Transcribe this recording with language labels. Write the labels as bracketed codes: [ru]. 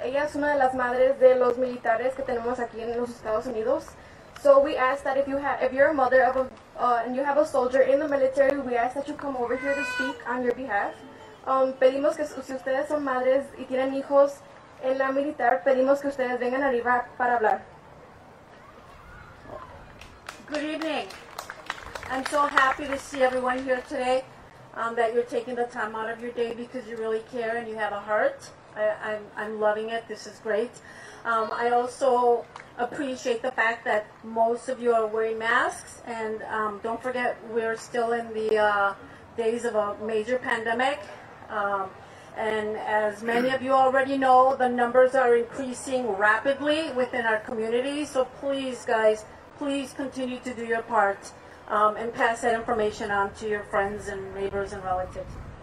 [es] Ella es una de las madres de los militares que tenemos aquí en los Estados Unidos. [en] So we ask that if you're a mother of a and you have a soldier in the military, we ask that you come over here to speak on your behalf. [es] Pedimos que si ustedes son madres y tienen hijos en la militar, pedimos que ustedes vengan arriba para hablar. [en] Good evening. I'm so happy to see everyone here today, that you're taking the time out of your day because you really care and you have a heart. I'm loving it. This is great. I also appreciate the fact that most of you are wearing masks, and don't forget we're still in the days of a major pandemic, and as many of you already know, the numbers are increasing rapidly within our community, so please, guys, please continue to do your part and pass that information on to your friends and neighbors and relatives.